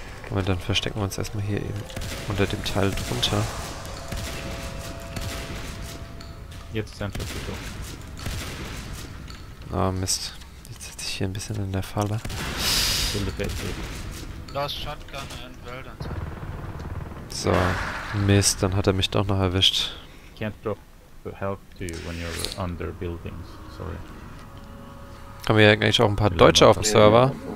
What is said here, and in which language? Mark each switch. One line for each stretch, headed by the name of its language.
German: Moment, dann verstecken wir uns erstmal hier eben unter dem Teil drunter. Jetzt sind wir zu. Ah, Mist. Jetzt sitze ich hier ein bisschen in der Falle.
English: Last Shotgun and well done.
German: So, Mist, dann hat er mich doch noch erwischt.
English: Can't drop help to you when you're under buildings, sorry.
German: Haben wir ja eigentlich auch ein paar Deutsche auf dem Server?